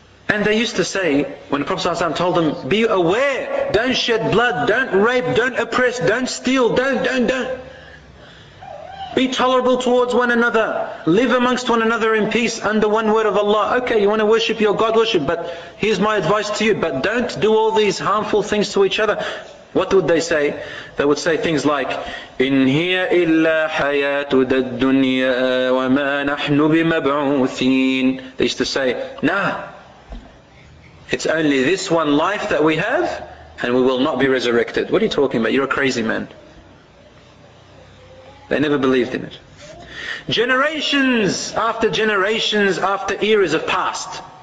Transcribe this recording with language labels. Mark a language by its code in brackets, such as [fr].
[en] And they used to say, when the Prophet ﷺ told them, be aware, don't shed blood, don't rape, don't oppress, don't steal, don't. Be tolerable towards one another. Live amongst one another in peace under one word of Allah. Okay, you want to worship your God, worship. But here's my advice to you. But don't do all these harmful things to each other. What would they say? They would say things like, [ar] إِنْ هِيَ إِلَّا حَيَاتُ الدُّنْيَا وَمَا نَحْنُ بِمَبْعُوثِينَ. [en] They used to say, nah, it's only this one life that we have and we will not be resurrected. What are you talking about? You're a crazy man. They never believed in it. Generations after generations after eras have passed.